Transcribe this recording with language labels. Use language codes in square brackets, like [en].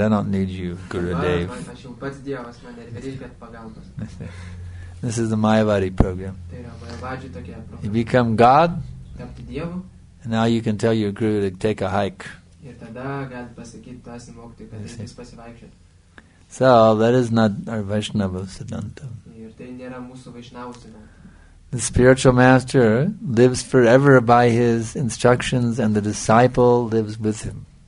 [en] I don't need you, Gurudev. This is the Mayavadi program. You become God, and now you can tell your guru to take a hike. [lt] Ir tada gali pasakyti tas mokyti, kad jis pasivaikščiotų. [en] So that is not our Vaishnava Siddhanta. [lt] Ir tai nėra mūsų Vaishnava Siddhanta. [en] The spiritual master lives forever by his instructions and the disciple lives with him.